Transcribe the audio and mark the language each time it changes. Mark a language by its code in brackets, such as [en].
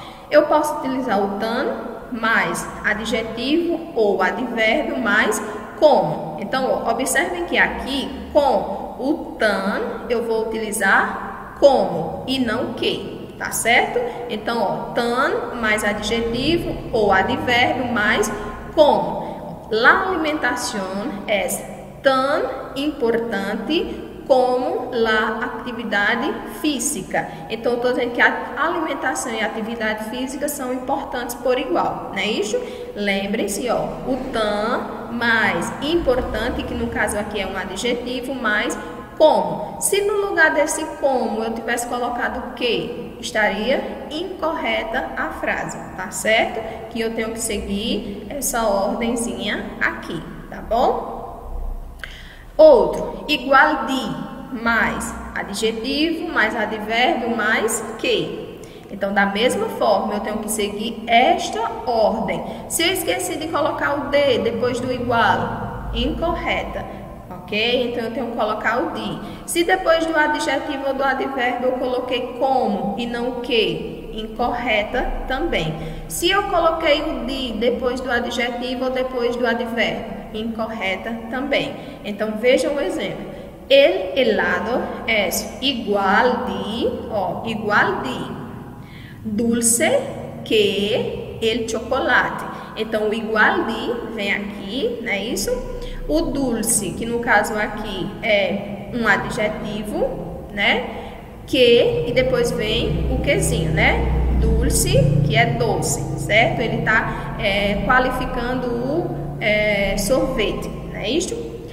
[pt] Eu posso utilizar o tan mais adjetivo ou advérbio mais como. Então, observem que aqui, com o tan, eu vou utilizar como e não que, tá certo? Então, ó, tan mais adjetivo ou advérbio mais como. [es] La alimentación es tan importante como la actividad física. [pt] Então, estou dizendo que a alimentação e a atividade física são importantes por igual, não é isso? Lembrem-se, ó, o tan mais importante, que no caso aqui é um adjetivo, mais como. Se no lugar desse como eu tivesse colocado que, estaria incorreta a frase, tá certo? Que eu tenho que seguir essa ordenzinha aqui, tá bom? Outro, igual de, mais adjetivo, mais advérbio, mais que. Então, da mesma forma, eu tenho que seguir esta ordem. Se eu esqueci de colocar o de depois do igual, incorreta. Ok? Então, eu tenho que colocar o de. Se depois do adjetivo ou do advérbio eu coloquei como e não que, incorreta também. Se eu coloquei o de depois do adjetivo ou depois do advérbio, incorreta também. Então, veja um exemplo. [es] El helado es igual de, ó, igual de dulce que el chocolate. [pt] Então, o igual de vem aqui, não é isso? O dulce, que no caso aqui é um adjetivo, né? Que, e depois vem o quezinho, né? Dulce, que é doce, certo? Ele está qualificando o sorvete, não é isso?